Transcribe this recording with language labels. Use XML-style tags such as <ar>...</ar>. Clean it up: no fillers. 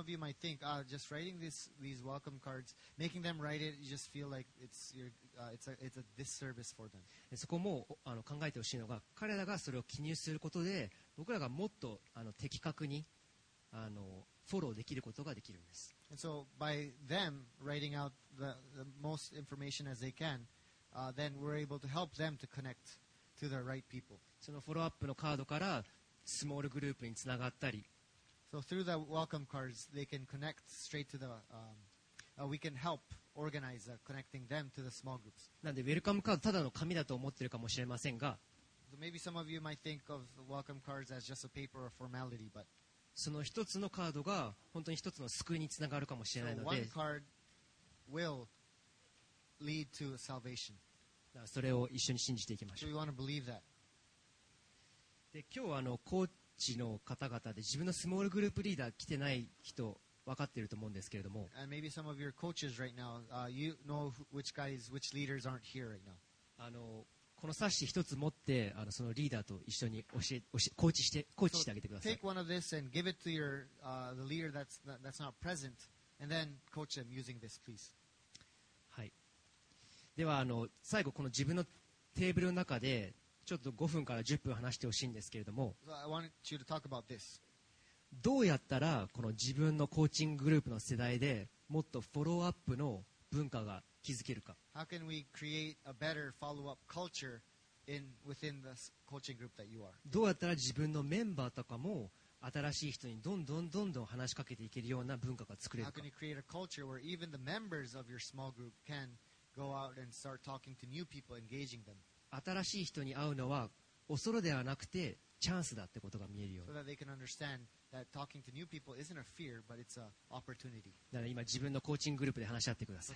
<en>Maybe some of you might think, ah, just writing this, these welcome cards, making them write it, you just feel like it's, your, it's a disservice for them.</en> <ja>そこも考えてほしいのが、彼らがそれを記入することで僕らがもっと的確にフォローできることができるんです。</ja> <en>And so by them writing out the most information as they can, then we're able to help them to connect to the right people.</en> <ja>そのフォローアップのカードからスモールグループにつながったり、</ja> <en>So through the welcome cards they can connect straight to the we can help organize connecting them to the small groups.</en> <ja>なんでウェルカムカードただの紙だと思ってるかもしれませんが、</ja> <en>So maybe some of you might think of the welcome cards as just a paper or formality, but</en> <ja>その一つのカードが本当に一つの救いにつながるかもしれないので、</ja> <en>So one card will lead to salvation.</en> <ja>それを一緒に信じていきましょう。</ja> <en>So we want to believe that.</en> <ja>で今日はコーチの方々で自分のスモールグループリーダー来てない人分かっていると思うんですけれども、この冊子一つ持って、そのリーダーと一緒に教えコーチしてあげてください。</ja> <en>Take one of this and give it to your, the leader that's not present and then coach him using this, please.</en> <ja>はい、では最後この自分のテーブルの中でちょっと5分から10分話してほしいんですけれども、</ja> <en>so I want you to talk about this.</en> <ja>どうやったらこの自分のコーチンググループの世代でもっとフォローアップの文化が築けるか。</ja> <en>How can we create a better follow-up culture in, within the coaching group that you are?</en> <ja>どうやったら自分のメンバーとかも新しい人にどんどんどんどん話しかけていけるような文化が作れるか。</ja> <en>How can you create a culture where even the members of your small group can go out and start talking to new people, engaging them?</en> <ja>新しい人に会うのは恐れではなくてチャンスだってことが見えるように。</ja> <en>So that they can understand that talking to new people isn't a fear, but it's an opportunity.</en> <ja>だから今自分のコーチンググループで話し合ってください。</ja>